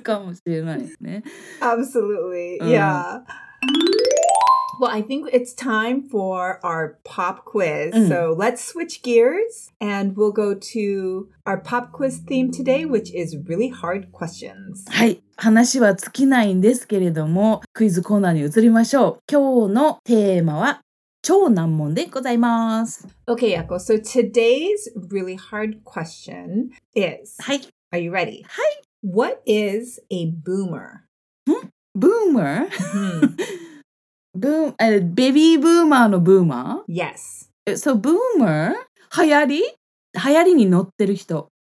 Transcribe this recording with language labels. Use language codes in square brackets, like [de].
[ja] そう、そう、そう。全然違う感覚だろうね。普段本当にね、やっぱ日本に住んでて中途半端な日本人だなって思うわけですよ。この感覚って結構ね、へこむときはへこむから。ハワイにいるともうちょっとこう自信を持って日本人ですって言える感じはあるかもしれないですね。Absolutely, [en] Well, I think it's time for our pop quiz. So let's switch gears and we'll go to our pop quiz theme today, which is really hard questions. [ja] はい、話は尽きないんですけれども、クイズコーナーに移りましょう。今日のテーマは超難問でございます。Okay, [en] Yako, so today's really hard question is, are you ready? Hi. What is a boomer? Boomer? Baby boomer no boomer? Yes. [ja] So boomer? Hayari? Hayari ni notteru hito.